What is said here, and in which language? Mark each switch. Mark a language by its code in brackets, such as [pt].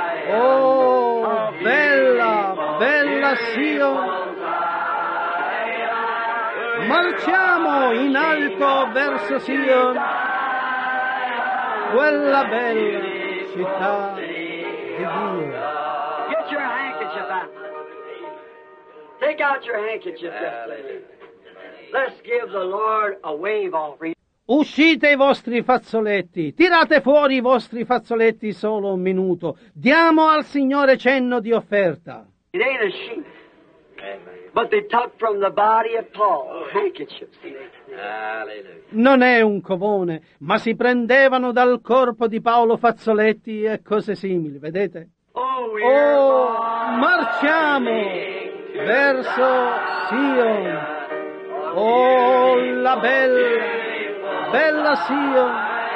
[it] Oh, bella, bella Sion. Marciamo in alto verso Sion, quella bella città di Dio. [en] Get your handkerchief out. Take out your handkerchief. Let's give the Lord a wave offering. [it] Uscite i vostri fazzoletti, tirate fuori i vostri fazzoletti, solo un minuto. Diamo al Signore cenno di offerta. [en] It ain't a sheep. But they took from the body of Paul. Handkerchiefs. [it] Non è un covone, ma si prendevano dal corpo di Paolo fazzoletti e cose simili, vedete? Oh, marciamo verso Sion. Oh, la bella, bella Sion.